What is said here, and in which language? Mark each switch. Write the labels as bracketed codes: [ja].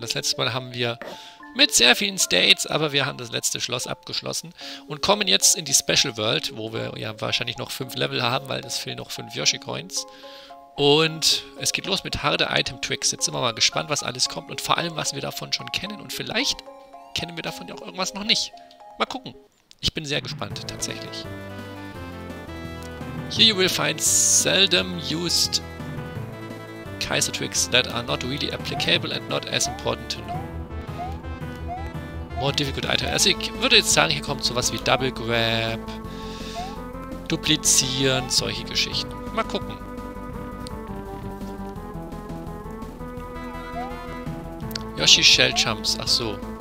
[de] Das letzte Mal haben wir mit sehr vielen States, aber wir haben das letzte Schloss abgeschlossen und kommen jetzt in die Special World, wo wir ja wahrscheinlich noch 5 Level haben, weil es fehlen noch 5 Yoshi-Coins. Und es geht los mit harte Item-Tricks. Jetzt sind wir mal gespannt, was alles kommt und vor allem, was wir davon schon kennen. Und vielleicht kennen wir davon ja auch irgendwas noch nicht. Mal gucken. Ich bin sehr gespannt, tatsächlich. [en] Here you will find seldom used Kaizo Tricks that are not really applicable and not as important to know. More difficult item. [de] Also ich würde jetzt sagen, hier kommt sowas wie Double Grab, Duplizieren, solche Geschichten. Mal gucken. Yoshi Shell Jumps, ach so.